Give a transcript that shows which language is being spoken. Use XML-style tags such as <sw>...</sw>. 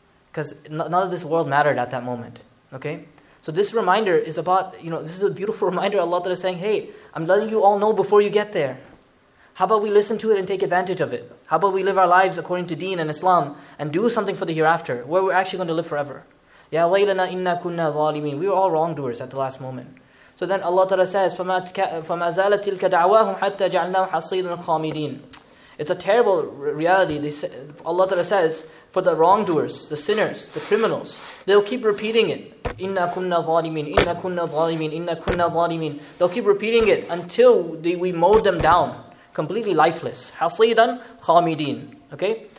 <en>Because none of this world mattered at that moment. Okay? So this reminder is about, you know, this is a beautiful reminder Allah that is saying, "Hey, I'm letting you all know before you get there. How about we listen to it and take advantage of it? How about we live our lives according to deen and Islam and do something for the hereafter where we're actually going to live forever?"</en> <ar>Ya waylana inna kunna zalimin.</ar> <en>We were all wrongdoers at the last moment. So then Allah Ta'ala says,</en> <ar>فَمَا زَالَتْ تِلْكَ دَعْوَاهُمْ حَتَّى جَعْلْنَاهُمْ حَصِيدًا خَامِدِينَ.</ar> <en>It's a terrible reality. Allah Ta'ala says, for the wrongdoers, the sinners, the criminals, they'll keep repeating it.</en> <ar>Inna kunna zalimin, inna kunna zalimin, inna kunna zalimin.</ar> <en>They'll keep repeating it until we mow them down. Completely lifeless.</en> <ar>Hasidan khamidin.</ar> <en>Okay?</en>